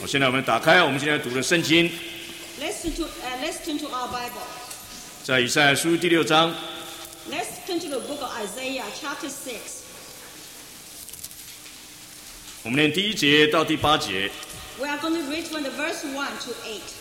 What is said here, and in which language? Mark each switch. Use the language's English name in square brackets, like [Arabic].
[Chinese] 好，现在我们打开我们今天读的圣经。 [English] Let's turn to our Bible. [Chinese] 在以赛亚书第六章。 [English] Let's turn to the book of Isaiah, chapter 6. [Chinese] 我们念第一节到第八节。 [English] We are going to read from the verse 1 to 8.